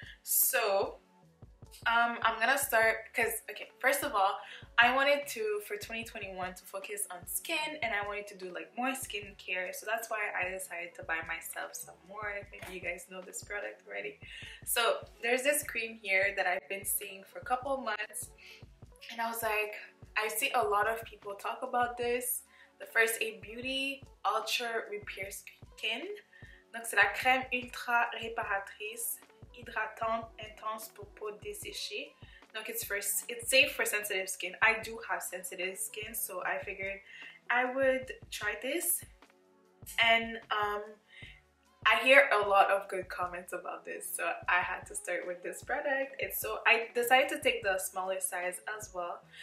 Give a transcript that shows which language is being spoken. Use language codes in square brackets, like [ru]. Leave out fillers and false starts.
[en] So I'm gonna start because, okay, first of all, I wanted to, for 2021, to focus on skin, and I wanted to do like more skincare. So that's why I decided to buy myself some more. Maybe you guys know this product already. So there's this cream here that I've been seeing for a couple of months, and I was like, I see a lot of people talk about this. The First Aid Beauty Ultra Repair Skin. [fr] Donc c'est la crème ultra réparatrice, hydratante, intense pour peau desséchée. [en] Donc it's safe for sensitive skin. I do have sensitive skin, so I figured I would try this. And I hear a lot of good comments about this, so I had to start with this product. And so I decided to take the smaller size as well.